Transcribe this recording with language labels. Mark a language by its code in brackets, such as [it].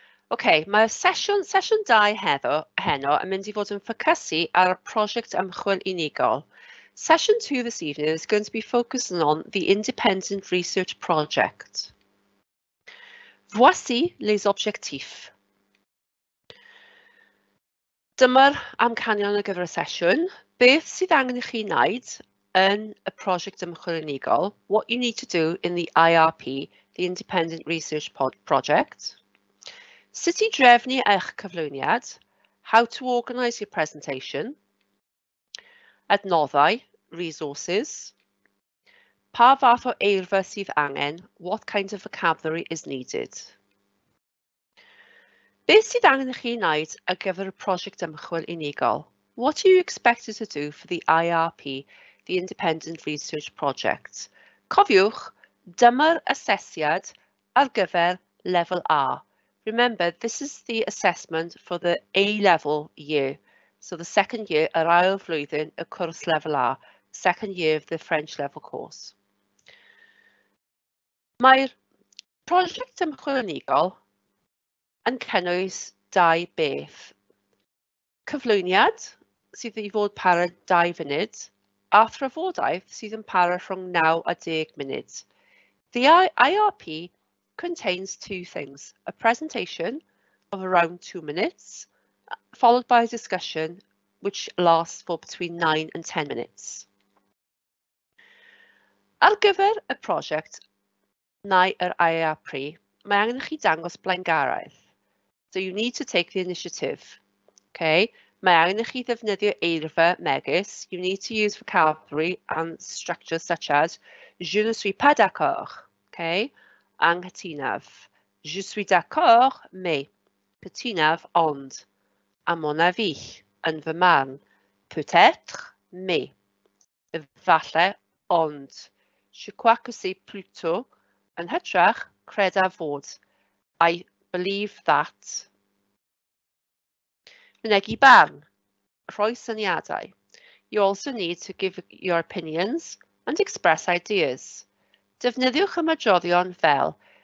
[cy] OK, mae sesiwn 2 heno yn mynd I fod yn ffocysu ar prosiect ymchwil unigol. [en] Session 2 this evening is going to be focusing on the independent research project. [fr] Voici les objectifs. [cy] Dyma'r amcanion ar gyfer y sesiwn. Beth sydd angen I chi wneud yn y prosiect ymchwil unigol? [en] What you need to do in the IRP, the Independent Research Project. [cy] Sut I drefnu eich cyflwyniad? [en] How to organise your presentation? Adnoddau, resources. [cy] Pa fath o eirfa sydd angen? [en] What kind of vocabulary is needed? [cy] Beth sydd angen I chi wneud ar gyfer y prosiect ymchwil unigol? [en] What are you expected to do for the IRP, the Independent Research Project? [cy] Cofiwch, dyma'r asesiad ar gyfer lefel A. [en] Remember, this is the assessment for the A level year. So the second year, [cy] yr ail flwyddyn, y cwrs lefel A, [en] second year of the French level course. [cy] Mae'r prosiect ymchwil unigol yn cynnwys dau beth. Cyflwyniad sydd I fod para 2 funud a thrafodaeth sydd yn para rhwng 9 a 10 munud. [en] The IRP contains two things, a presentation of around 2 minutes, followed by a discussion which lasts for between 9 and 10 minutes. [cy] Ar gyfer y prosiect, neu yr IRP, mae angen I chi dangos blaengaraeth. [en] So you need to take the initiative. Okay? [cy] Mae angen I chi ddefnyddio eirfa megis. [en] You need to use vocabulary and structures such as [fr] je ne suis pas d'accord. [en] Okay? [cy] Anghytunaf. [fr] Je suis d'accord, mais. [cy] Cytunaf, ond. [fr] A mon avis, [cy] yn fy marn. [fr] Peut-être, mais. [cy] Efallai, ond. [fr] Je crois que c'est plutôt. [cy] Yn hytrach, credaf fod. [en] I believe that. [cy] Mynegi barn. Rhoi syniadau. [en] You also need to give your opinions and express ideas. [cy] Defnyddiwch y majoddion fel.